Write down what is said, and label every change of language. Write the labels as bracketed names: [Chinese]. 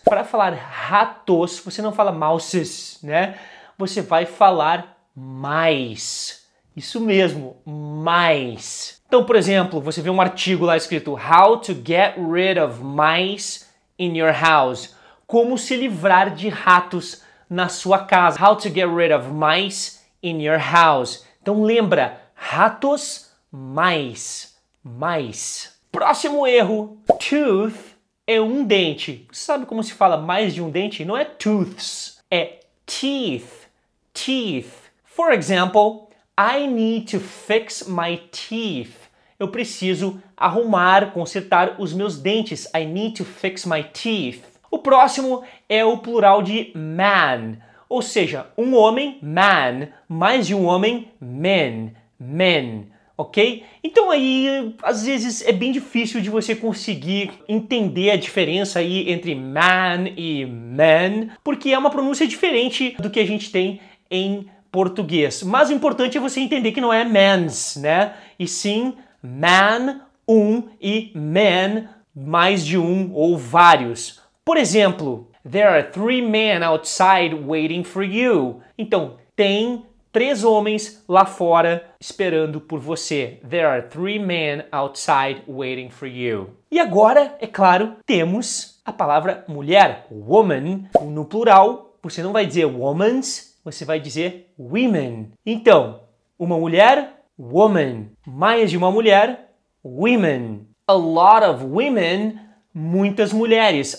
[Portuguese] Para falar ratos, você não fala mouses, né? Você vai falar mice. Isso mesmo, mice. Então, por exemplo, você vê um artigo lá escrito [English] How to get rid of mice in your house. [Portuguese] Como se livrar de ratos na sua casa. [English] How to get rid of mice in your house. [Portuguese] Então lembra, ratos, mice, mice. Próximo erro, tooth é um dente. Você sabe como se fala mais de um dente? Não é tooths, é teeth, teeth. [English] For example, I need to fix my teeth. [Portuguese] Eu preciso arrumar, consertar os meus dentes. [English] I need to fix my teeth. [Portuguese] O próximo é o plural de man. Ou seja, um homem, man, mais de um homem, men, men. Ok? Então aí, às vezes, é bem difícil de você conseguir entender a diferença aí entre man e men, porque é uma pronúncia diferente do que a gente tem em português. Mas o importante é você entender que não é men's, né? E sim, man, um, e men, mais de um ou vários. Por exemplo, [English] there are three men outside waiting for you. [Portuguese] Então, tem três homens lá fora esperando por você. [English] There are three men outside waiting for you. [Portuguese] E agora, é claro, temos a palavra mulher, woman. No plural, você não vai dizer woman's, você vai dizer women. Então, uma mulher, woman. Mais de uma mulher, women. [English] A lot of women, [Portuguese] muitas mulheres.